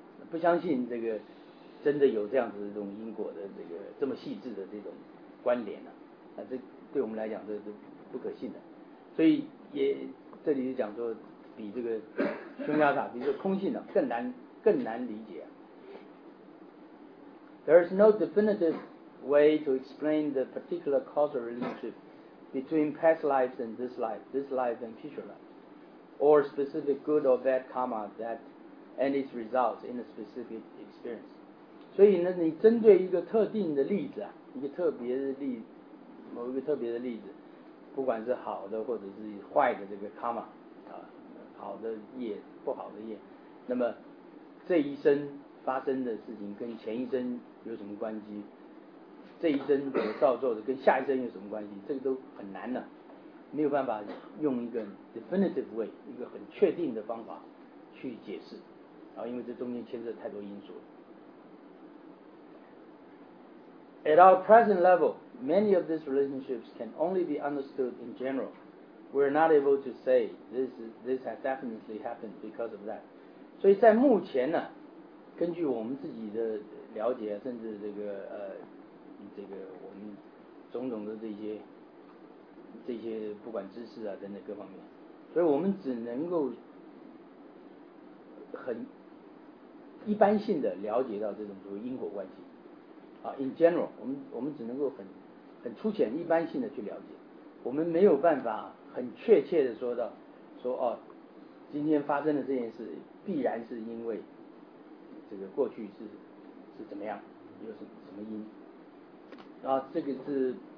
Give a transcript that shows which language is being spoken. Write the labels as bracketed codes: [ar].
[zh] 不相信这个真的有这样子的这种因果的这个这么细致的这种关联呢、啊？啊，这对我们来讲这是不可信的。所以也这里是讲说，比这个宗教塔，比这个空性呢、啊、更难理解、啊。 [en] There is no definitive way to explain the particular causal relationship between past lives and this life and future life, or specific good or bad karma that. And its results in a specific experience. [zh] 所以呢，你针对一个特定的例子啊，一个特别的例子，某一个特别的例子，不管是好的或者是坏的这个 karma 啊，好的业，不好的业，那么这一生发生的事情跟前一生有什么关系？这一生所造作的跟下一生有什么关系？这个都很难呢、啊，没有办法用一个 [en] definitive way， [zh] 一个很确定的方法去解释。因为这中间牵涉太多因素了。 [en] At our present level, many of these relationships can only be understood in general. We're not able to say this has definitely happened because of that. [zh] 所以在目前呢，根据我们自己的了解，甚至这个我们种种的这些不管知识啊等等各方面，所以我们只能够很一般性的了解到这种所谓因果关系啊 ， [en] in general， [zh] 我们只能够很粗浅、一般性的去了解，我们没有办法很确切的说到说哦，今天发生的这件事必然是因为这个过去是怎么样，又是什么因，然后这个是